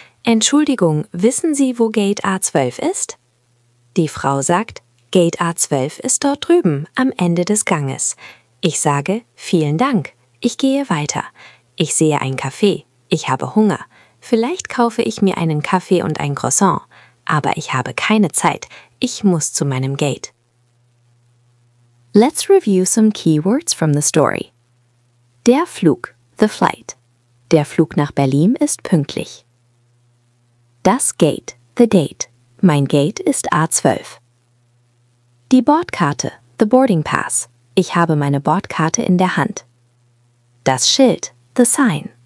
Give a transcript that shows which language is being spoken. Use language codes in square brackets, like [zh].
[de] Entschuldigung, wissen Sie, wo Gate A12 ist? Die Frau sagt, Gate A12 ist dort drüben, am Ende des Ganges. Ich sage, vielen Dank. Ich gehe weiter. Ich sehe ein Café. Ich habe Hunger. Vielleicht kaufe ich mir einen Kaffee und ein Croissant. Aber ich habe keine Zeit. Ich muss zu meinem Gate. [en] Let's review some keywords from the story. [de] Der Flug, [en] the flight. [de] Der Flug nach Berlin ist pünktlich. Das Gate, [en] the date. [de] Mein Gate ist A12. Die Bordkarte, [en] the boarding pass. [de] Ich habe meine Bordkarte in der Hand. Das Schild, [en] the sign.